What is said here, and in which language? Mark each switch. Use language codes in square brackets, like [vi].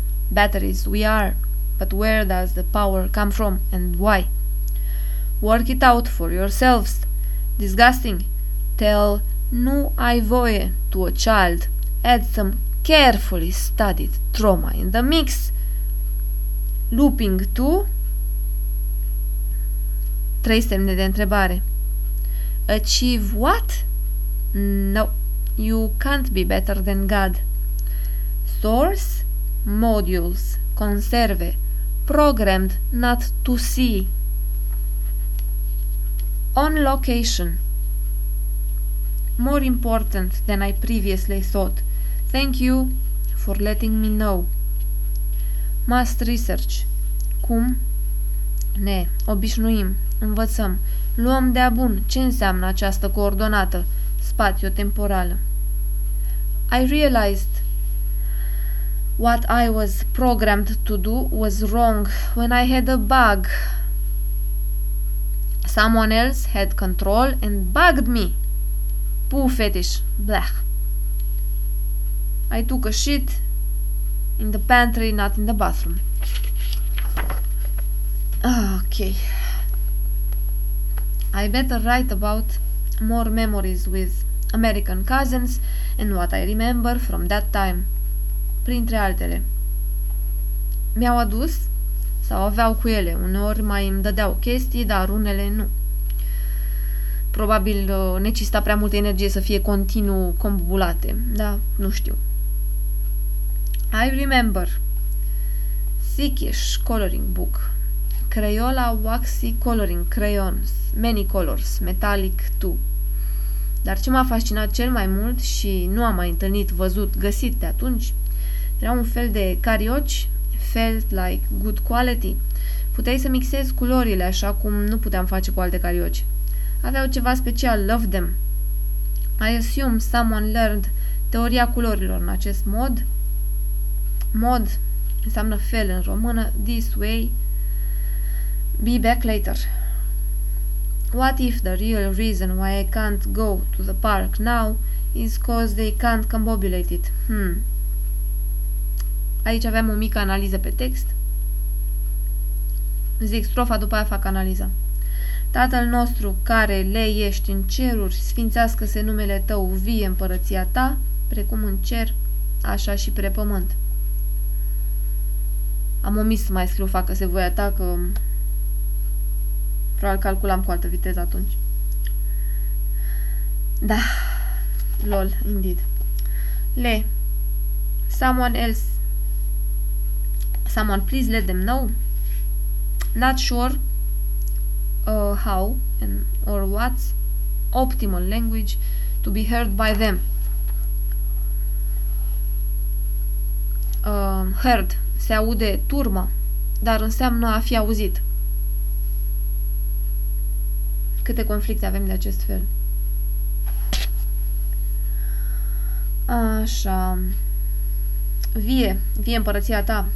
[en] Batteries, we are, but where does the power come from and why? Work it out for yourselves. Disgusting. Tell [ro] nu ai voie [en] to a child. Add some carefully studied trauma in the mix. Looping to 3 [ro] semne de întrebare. [en] Achieve what? No, you can't be better than God. Source, modules, conserve, programmed not to see. On location. More important than I previously thought. Thank you for letting me know. Must research. [ro] Cum? Ne obișnuim, învățăm, luăm de-a bun ce înseamnă această coordonată spațio-temporală. [en] I realized what I was programmed to do was wrong when I had a bug. Someone else had control and bugged me. Poo fetish. Blech. I took a shit in the pantry, not in the bathroom. Okay. I better write about more memories with American cousins and what I remember from that time. [ro] Printre altele. Mi-au adus sau aveau cu ele. Uneori mai îmi dădeau chestii, dar unele nu. Probabil necesita prea multă energie să fie continuu combulate, dar nu știu. [en] I remember. Thickish coloring book. Crayola waxy coloring crayons. Many colors. Metallic too. [ro] Dar ce m-a fascinat cel mai mult și nu am mai întâlnit, văzut, găsit de atunci, era un fel de carioci, [en] felt like good quality. [ro] Puteai să mixezi culorile așa cum nu puteam face cu alte carioci. Aveau ceva special, [en] love them. I assume someone learned [ro] teoria culorilor în acest mod. Mod înseamnă fel în română, [en] this way. Be back later. What if the real reason why I can't go to the park now is cause they can't combobulate it? [ro] Aici aveam o mică analiză pe text. Zic strofa, după aia fac analiza. Tatăl nostru care le ești în ceruri, sfințească-se numele tău, vie împărăția ta, precum în cer, așa și pe pământ. Am omis să mai scriu facă-se voia ta, că probabil calculam cu altă viteză atunci. [en] Da, lol, indeed. Le, someone please let them know. Not sure how and or what's optimal language to be heard by them. [ro] Heard, se aude turmă, dar înseamnă a fi auzit. Câte conflicte avem de acest fel. Așa. Vie împărăția ta.